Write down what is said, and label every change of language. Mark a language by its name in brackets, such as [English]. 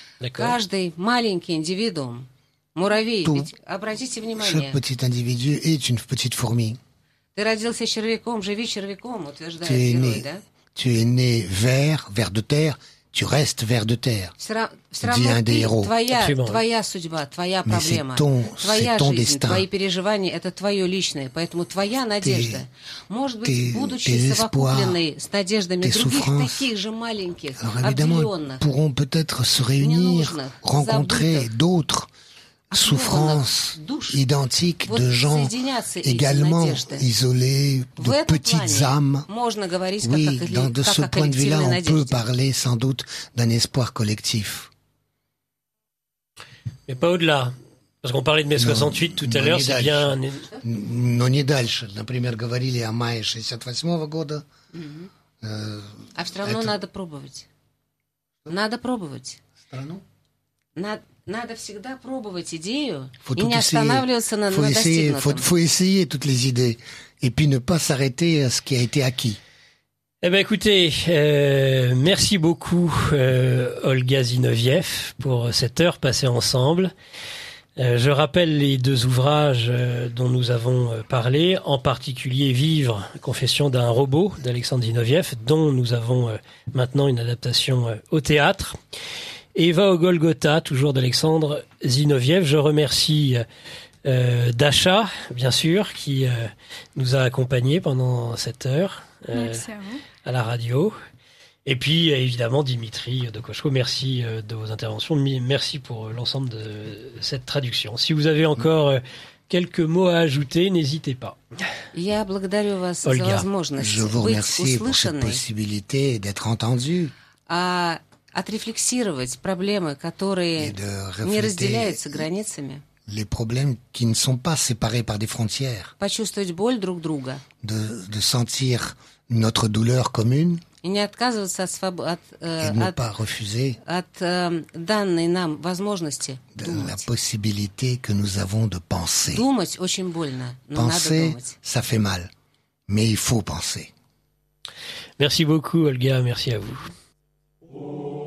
[Russian] Каждый маленький индивидуум, муравей, ведь, обратите внимание, [French] chaque petit individu est une petite fourmi. [Russian] Ты родился червяком, живи червяком, утверждает герой, [French] né, [Russian] да? [French] Tu es né vers de terre. Tu restes vers de terre, dit un des héros. [Russian] Твоя судьба, твоя проблема, твоя жизнь, твои переживания, это твое личное. Поэтому твоя надежда, может быть, будучи совокупленной с надеждами других таких же маленьких, обделенных, [French] pourront peut-être se réunir, rencontrer d'autres souffrances identiques de gens également isolés, de petites âmes. Oui, de ce point de vue-là, on peut parler sans doute d'un espoir collectif. Mais pas au-delà. Parce qu'on parlait de mai 68 tout à l'heure, c'est bien... Non, [Russian] не дальше. Например, говорили о мае 68-го года. А все равно надо пробовать. Надо пробовать. Страну? Надо всегда пробовать идею и не останавливаться на достигнутом. [French] Faut essayer toutes les idées et puis ne pas s'arrêter à ce qui a été acquis. Eh bien, écoutez, merci beaucoup, Olga Zinoviev, pour cette heure passée ensemble. Je rappelle les deux ouvrages dont nous avons parlé, en particulier « Vivre, confession d'un robot » d'Alexandre Zinoviev, dont nous avons maintenant une adaptation au théâtre. Eva au Golgotha, toujours d'Alexandre Zinoviev. Je remercie Dasha, bien sûr, qui nous a accompagnés pendant cette heure à la radio. Et puis, évidemment, Dimitri Dokochko, merci de vos interventions. Merci pour l'ensemble de cette traduction. Si vous avez encore quelques mots à ajouter, n'hésitez pas. Olga, je vous remercie pour cette possibilité d'être entendu. [Russian] Отрефлексировать проблемы, которые не разделяются границами. [French] Les problèmes qui ne sont pas séparés par des frontières. [Russian] Почувствовать боль друг друга. [French] De sentir notre douleur commune. [Russian] И не отказываться от свободы. [French] Et ne pas refuser. [Russian] От данной нам возможности. [French] De la possibilité que nous avons de penser. [Russian] Думать очень больно, но надо думать. [French] Penser, ça fait mal, mais il faut penser. Merci beaucoup, Olga. Merci à vous.